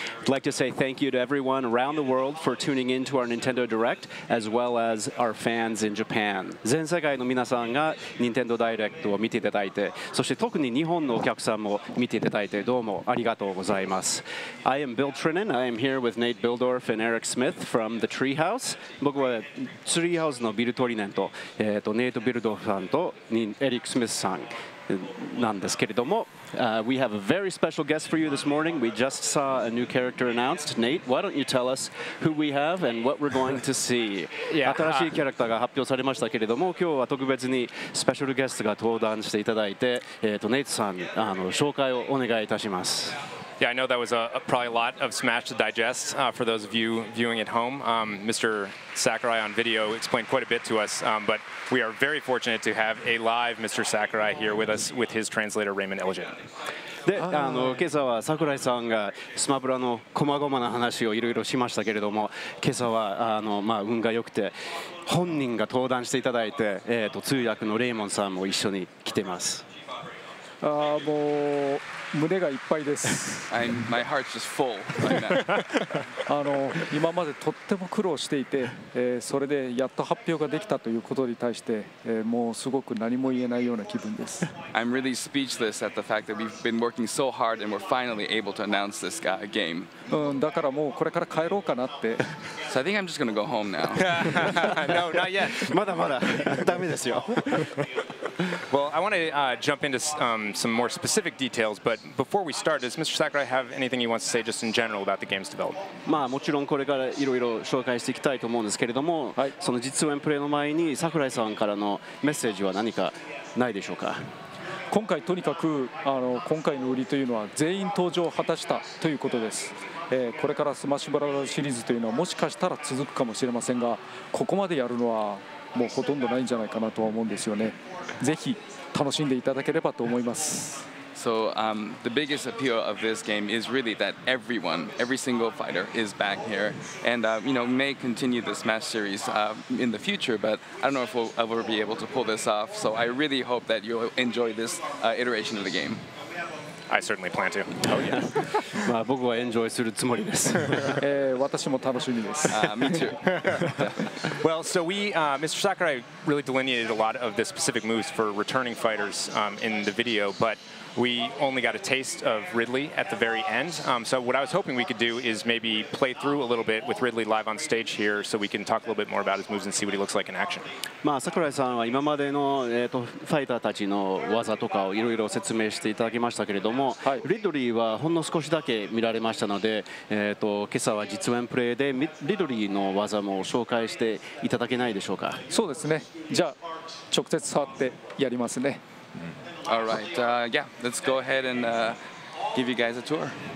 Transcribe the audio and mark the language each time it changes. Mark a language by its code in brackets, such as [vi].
[en] I'd like to say thank you to everyone around the world for tuning in to our Nintendo Direct, as well as our fans in Japan. [ja] 全世界の皆さんが Nintendo Direct を見ていただいて、そして特に日本のお客さんも見ていただいて、どうもありがとうございます。 [en] I am Bill Trinan. I am here with Nate Bildorf and Eric Smith from the Treehouse. [ja] 僕はツリーハウスのビルトリネンと、ネイト・ビルドルフさんとエリック・スミスさんなんですけれども、 [en] We have a very special guest for you this morning. We just saw a new character announced. Nate, why don't you tell us who we have and what we're going to see? [ja] 新しいキャラクターが発表されましたけれども、今日は特別にスペシャルゲストが登壇していただいて、ネイトさん、紹介をお願いいたします。 [en] Yeah, I know that was probably a lot of Smash to digest for those of you viewing at home. Mr. Sakurai on video explained quite a bit to us, but we are very fortunate to have a live Mr. Sakurai here with us with his translator Raymond Elgin. [ja] で、今朝は桜井さんがスマブラの細々な話をいろいろしましたけれども、今朝はまあ運が良くて本人が登壇していただいて、通訳のレイモンさんも一緒に来てます。もう胸がいっぱいです。 [en] My heart's just full right now. [ja] 今までとっても苦労していて、それでやっと発表ができたということに対して、もうすごく何も言えないような気分です。 [en] I'm really speechless at the fact that we've been working so hard and we're finally able to announce this game. [ja] だからもうこれから帰ろうかなって。 [en] So I think I'm just gonna go home now. No, not yet. [ja] まだまだ。ダメですよ。 [en] Well, I want to jump into some more specific details, but before we start, does Mr. Sakurai have anything he wants to say just in general about the game's development? [ja] まあもちろんこれからいろいろ紹介していきたいと思うんですけれども、はい、その実演プレイの前に桜井さんからのメッセージは何かないでしょうか？今回とにかく今回の売りというのは全員登場を果たしたということです。これからスマッシュブラザーズシリーズというのはもしかしたら続くかもしれませんが、ここまでやるのはもうほとんどないんじゃないかなとは思うんですよね。ぜひ楽しんでいただければと思います。 [en] So, the biggest appeal of this game is really that everyone, every single fighter is back here. And, you know, may continue the Smash series in the future, but I don't know if we'll ever be able to pull this off. So I really hope that you'll enjoy this iteration of the game. I certainly plan to. Oh, yeah. [ja] まあ僕はエンジョイするつもりです。私も楽しみです。 [en] Me too. Well, so we, Mr. Sakurai really delineated a lot of the specific moves for returning fighters in the video, but we only got a taste of Ridley at the very end. So what I was hoping we could do is maybe play through a little bit with Ridley live on stage here so we can talk a little bit more about his moves and see what he looks like in action. [ja] まあ、桜井さんは今までの、ファイターたちの技とかをいろいろ説明していただきましたけれども、はい、リドリーはほんの少しだけ見られましたので、今朝は実演プレイでリドリーの技も紹介していただけないでしょうか。そうですね。じゃあ直接触ってやりますね。 [en] All right, yeah, let's go ahead and give you guys a tour.